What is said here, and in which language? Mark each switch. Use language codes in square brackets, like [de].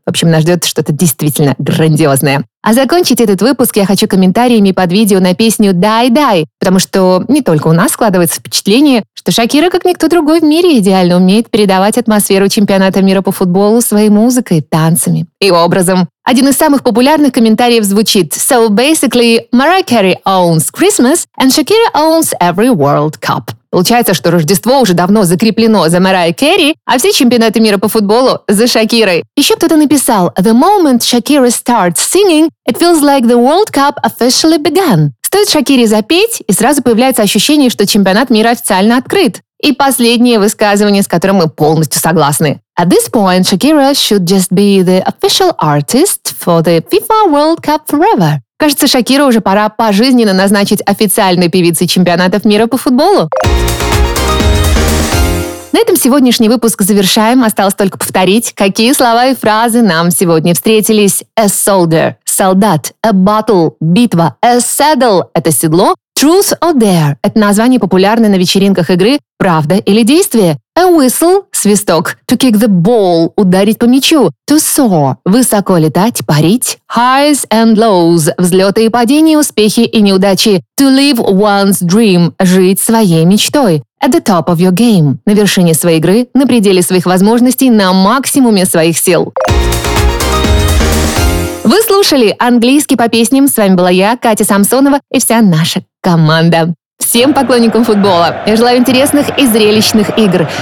[ru] В общем, нас ждет что-то действительно грандиозное. А закончить этот выпуск я хочу комментариями под видео на песню «Дай-дай», потому что не только у нас складывается впечатление, что Шакира, как никто другой в мире, идеально умеет передавать атмосферу чемпионата мира по футболу своей музыкой, танцами и образом. Один из самых популярных комментариев звучит: [en] «So basically, Mariah Carey owns Christmas and Shakira owns every World Cup». [ru] Получается, что Рождество уже давно закреплено за Мэрайа Кэрри, а все чемпионаты мира по футболу – за Шакирой. Еще кто-то написал: [en] «The moment Shakira starts singing, it feels like the World Cup officially began». [ru] Стоит Шакире запеть, и сразу появляется ощущение, что чемпионат мира официально открыт. И последнее высказывание, с которым мы полностью согласны: [en] «At this point, Shakira should just be the official artist for the FIFA World Cup forever». [ru] Кажется, Шакира уже пора пожизненно назначить официальной певицей чемпионатов мира по футболу. На этом сегодняшний выпуск завершаем. Осталось только повторить, какие слова и фразы нам сегодня встретились. [en] A soldier – солдат. A battle – битва. A saddle [ru] – это седло. [en] Truth or dare [ru] – это название, популярное на вечеринках игры «Правда или действие». [en] A whistle – свисток. To kick the ball – [ru] ударить по мячу. [en] To soar [ru] – высоко летать, парить. [en] Highs and lows [ru] – взлеты и падения, успехи и неудачи. [en] To live one's dream – [ru] жить своей мечтой. [en] At the top of your game [ru] – на вершине своей игры, на пределе своих возможностей, на максимуме своих сил. Вы слушали «Английский по песням». С вами была я, Катя Самсонова, и вся наша команда. Всем поклонникам футбола я желаю интересных и зрелищных игр.